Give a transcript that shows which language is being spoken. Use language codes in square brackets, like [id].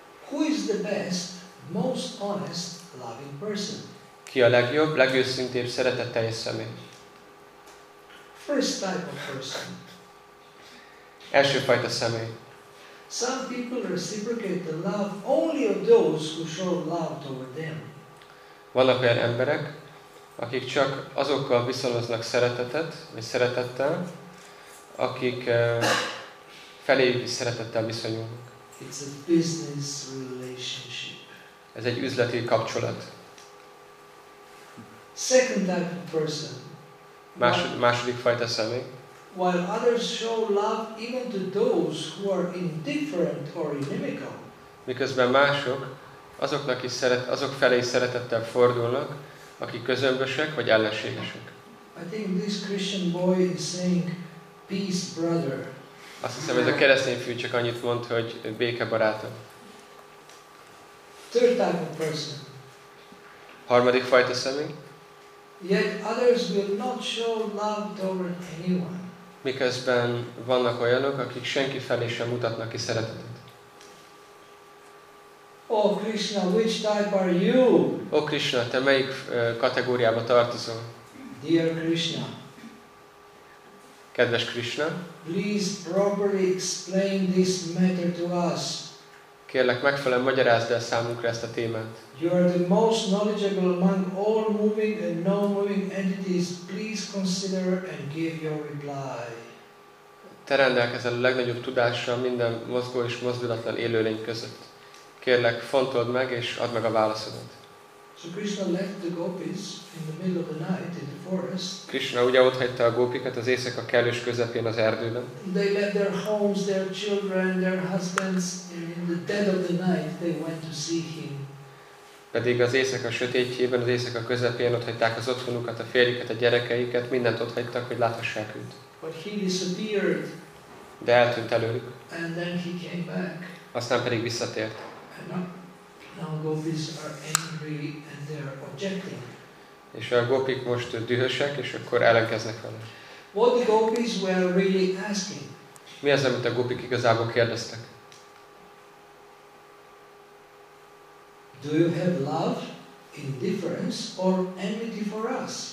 [en] Who is the best, most honest, loving person? [hu] Ki a legjobb, legőszintébb, szeretetteljes személy? [en] First type of person. [hu] Első fajta személy. [en] Some people reciprocate the love only of those who show love toward them. [hu] Vannak olyan emberek, akik csak azokkal viszonoznak szeretetet, vagy szeretettel, akik felé szeretettel viszonyulnak. [en] It's a business relationship. [hu] Ez egy üzleti kapcsolat. [en] Second type of person. [hu] Második fajta személy. [en] While others show love even to those who are indifferent or inimical. [hu] Miközben mások azoknak is azok felé szeretettel fordulnak, akik közömbösek vagy ellenségesek. [en] I think this Christian boy is saying, "Peace, brother." [hu] Azt hiszem, ez a keresztény fiú csak annyit mond, hogy béke barátom. [en] Third type of person. [hu] Harmadik fajta személy. [en] Yet others will not show love toward anyone. [hu] Miközben vannak olyanok, akik senki felé sem mutatnak ki szeretetet. [en] Oh Krishna, which type are you? [hu] Oh Krishna, te melyik kategóriába tartozol? [en] Dear Krishna. [hu] Kedves Krishna. [en] Please properly explain this matter to us. [hu] Kérlek, megfelelően magyarázd el számunkra ezt a témát. [en] You are the most knowledgeable among all moving and non-moving entities. Please consider and give your reply. [hu] Te rendelkezel a legnagyobb tudással minden mozgó és mozdulatlan élőlény között. Kérlek, fontold meg és add meg a válaszodat. [en] So Krishna left the gopis in the middle of the night in the forest. [hu] Krishna ugye ott hagyta a gópikat az éjszaka kellős közepén az erdőben. [en] They left their homes, their children, their husbands, and in the dead of the night they went to see him. [hu] Pedig az éjszaka sötétjében, az éjszaka közepén ott hagyták az otthonukat, a férjüket, a gyerekeiket, mindent ott hagytak, hogy láthassák őt. [en] But he disappeared. [hu] De eltűnt előlük. [en] And then he came back. [hu] Aztán pedig visszatért. [en] Now gopis are angry and they are objecting. [hu] És a gopik most dühösek, és akkor ellenkeznek vele. [en] What the gopis were really asking? [hu] Mi az, amit a gopik igazából kérdeztek? [en] Do you have love, indifference or enmity for us?